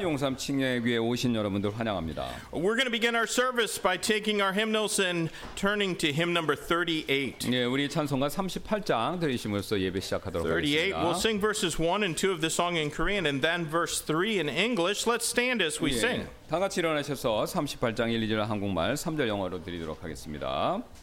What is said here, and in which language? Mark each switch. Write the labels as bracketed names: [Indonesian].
[Korean] 용산 침례교회 오신 여러분들 환영합니다. [English] We're going to begin our service by taking our hymnals and turning to hymn number 38. [Korean] 예, 우리 찬송가 38장 들으시면서 예배 시작하도록 38. 하겠습니다. [English] We'll sing verses 1 and 2 of the song in Korean and then verse 3 in English. Let's stand as we sing. [Korean] 다 같이 일어나셔서 38장 1, 2절 한국말, 3절 영어로 드리도록 하겠습니다.